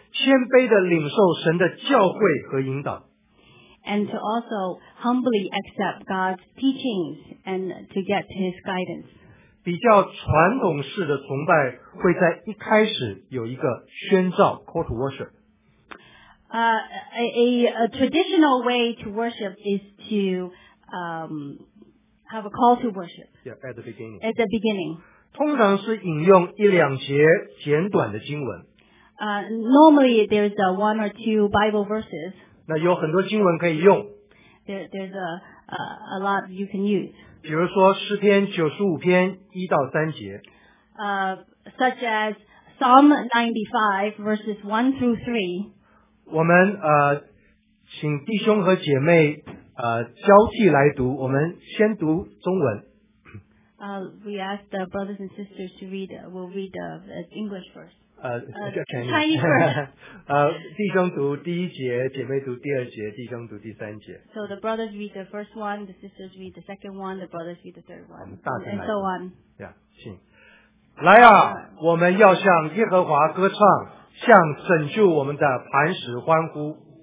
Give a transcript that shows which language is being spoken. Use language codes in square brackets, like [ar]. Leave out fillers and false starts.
[en] And to also humbly accept God's teachings and to get His guidance. [zh] 比较传统式的崇拜会在一开始有一个宣召, [en] call to worship. A traditional way to worship is to have a call to worship. Yeah, at the beginning. At the beginning. [zh] 通常是引用一两节简短的经文。 [en] Normally there's a one or two Bible verses. [zh] 那有很多经文可以用。 [en] There's a lot you can use. [zh] 比如说诗篇95篇1到3节。 [en] Such as Psalm 95 verses 1 through 3. [zh] 我们, 请弟兄和姐妹 交替来读，我们先读中文。 [en] We ask the brothers and sisters to read. We'll read the English first. Chinese. [zh] 弟兄读第一节，姐妹读第二节，弟兄读第三节。 [en] So the brothers read the first one, the sisters read the second one, the brothers read the third one, and so on. [zh] Yeah, 请。来啊，我们要向耶和华歌唱，向拯救我们的磐石欢呼。